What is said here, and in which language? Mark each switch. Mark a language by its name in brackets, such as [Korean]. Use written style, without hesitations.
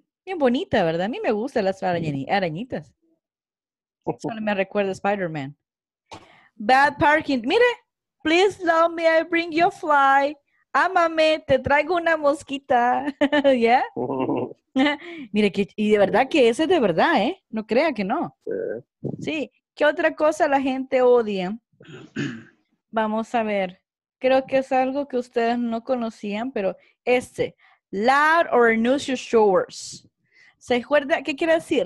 [Spanish] Bien bonita, ¿verdad? A mí me gustan las arañitas. Solo me recuerda a Spider-Man. [English] Bad parking. Mire, please love me, I bring you a fly. [Spanish] Amame, te traigo una mosquita. [English] Yeah. [Spanish] Mire, que, y de verdad que ese es de verdad, ¿eh? No crea que no. Sí. ¿Qué otra cosa la gente odia? Vamos a ver. Creo que es algo que ustedes no conocían, pero este. [English] Loud or nauseous showers. [Spanish] ¿Se acuerda? ¿Qué quiere decir?